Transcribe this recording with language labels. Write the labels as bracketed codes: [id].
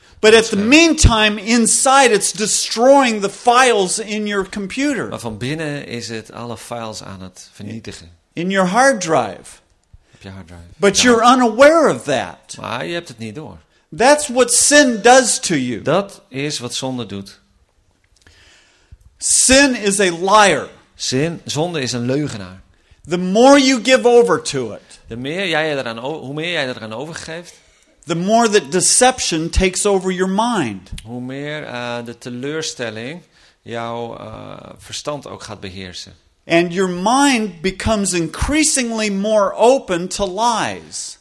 [en] But at the meantime, inside it's destroying the files in your computer. [nl] Maar van binnen is het alle files aan het vernietigen. [en] In your hard drive. [nl] Op je hard drive. [en] But you're unaware of that. [nl] Maar je hebt het niet door. [en] That's what sin does to you. [nl] Dat is wat zonde doet. [en] Sin is a liar. [nl] Zonde is een leugenaar. [en] The more you give over to it. [nl] Hoe meer jij eraan overgeeft. [en] The more that deception takes over your mind. [nl] Hoe meer de teleurstelling jouw verstand ook gaat beheersen. [en] And your mind becomes increasingly more open to lies.